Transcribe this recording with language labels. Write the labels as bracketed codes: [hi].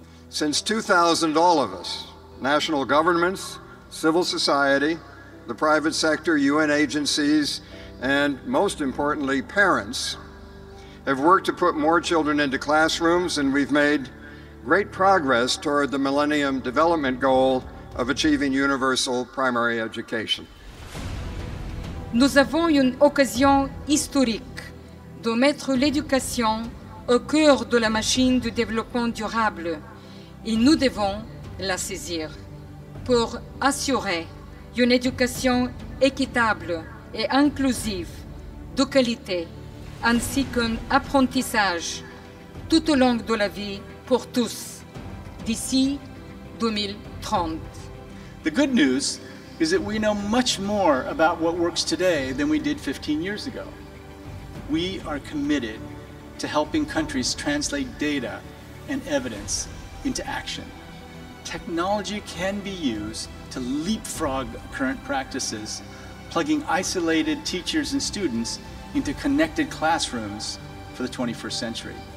[en] Since 2000, all of us, national governments, civil society, the private sector, UN agencies, and most importantly, parents, have worked to put more children into classrooms, and we've made great progress toward the Millennium Development Goal of achieving universal primary education. [fr] Nous avons une occasion historique de mettre l'éducation au cœur de la machine du développement durable et nous devons la saisir pour assurer une éducation équitable et inclusive de qualité ainsi qu'un apprentissage tout au long de la vie pour tous d'ici 2030. [en] The good news is that we know much more about what works today than we did 15 years ago. We are committed to helping countries translate data and evidence into action. Technology can be used to leapfrog current practices, plugging isolated teachers and students into connected classrooms for the 21st century.